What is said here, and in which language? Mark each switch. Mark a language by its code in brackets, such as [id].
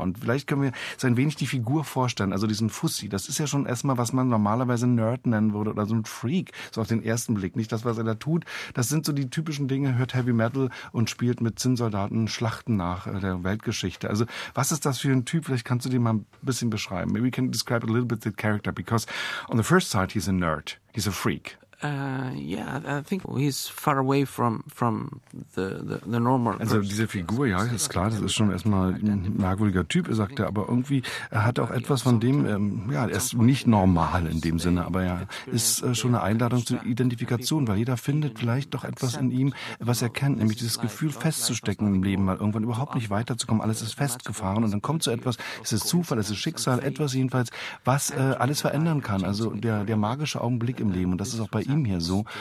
[de] Und vielleicht können wir uns ein wenig die Figur vorstellen, also diesen Fussi. Das ist ja schon erstmal, was man normalerweise Nerd nennen würde oder so ein Freak, so auf den ersten Blick. Nicht das, was er da tut. Das sind so die typischen Dinge, hört Heavy Metal und spielt mit Zinnsoldaten Schlachten nach der Weltgeschichte. Also was ist das für ein Typ? Vielleicht kannst du den mal ein bisschen beschreiben. [en] Maybe we can describe a little bit the character, because on the first side he's a nerd, he's a freak. I think he's far away from the normal. [de] Also diese Figur, ja, ist klar, das ist schon erstmal ein merkwürdiger Typ, sagt er, aber irgendwie er hat auch etwas von dem, er ist nicht normal in dem Sinne, aber er ist schon eine Einladung zur Identifikation, weil jeder findet vielleicht doch etwas in ihm, was er kennt, nämlich dieses Gefühl festzustecken im Leben, mal irgendwann überhaupt nicht weiterzukommen, alles ist festgefahren und dann kommt so etwas, es ist Zufall, es ist Schicksal, etwas jedenfalls, was alles verändern kann, also der magische Augenblick im Leben, und das ist auch bei ihm hier so.